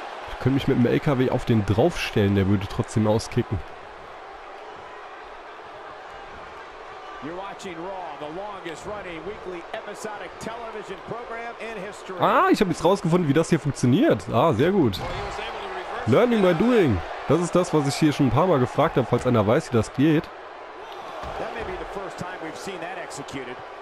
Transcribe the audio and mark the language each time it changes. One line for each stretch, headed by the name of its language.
German: Ich könnte mich mit dem LKW auf den draufstellen, der würde trotzdem auskicken.
English: You're watching Raw, the longest running weekly episodic television program in history.
German: Ah, ich habe jetzt rausgefunden, wie das hier funktioniert. Ah, sehr gut.
English: Learning by doing.
German: Das ist das, was ich hier schon ein paar Mal gefragt habe, falls einer weiß, wie das geht.
English: That may be the first time we've seen that executed.